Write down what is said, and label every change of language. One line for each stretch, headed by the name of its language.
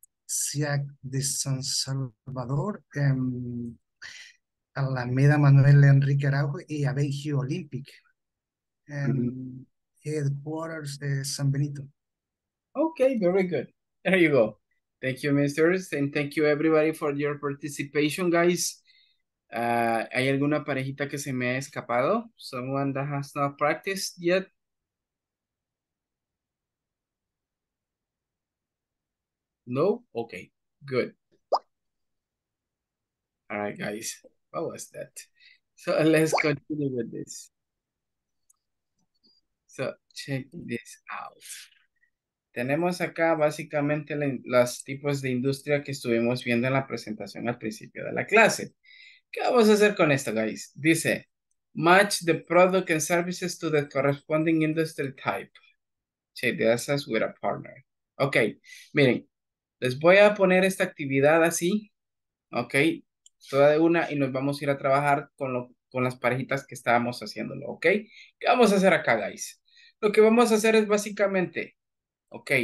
Spanish: SIAC de San Salvador. Alameda Manuel Enrique Araujo y Abeji Olympic. Headquarters de San Benito.
English: Okay, very good. There you go. Thank you, ministers, and thank you everybody for your participation, guys.
Spanish: ¿Hay alguna parejita que se me ha escapado?
English: Someone that has not practiced yet? No? Okay, good. All right, guys. What was that? So let's continue with this. So check this out.
Spanish: Tenemos acá básicamente los tipos de industria que estuvimos viendo en la presentación al principio de la clase. ¿Qué vamos a hacer con esto, guys?
English: Dice, match the product and services to the corresponding industry type. Check this out with a partner.
Spanish: Okay, miren, les voy a poner esta actividad así. Okay. Toda de una y nos vamos a ir a trabajar con las parejitas que estábamos haciéndolo, ¿ok? ¿Qué vamos a hacer acá, guys? Lo que vamos a hacer es básicamente, ¿ok?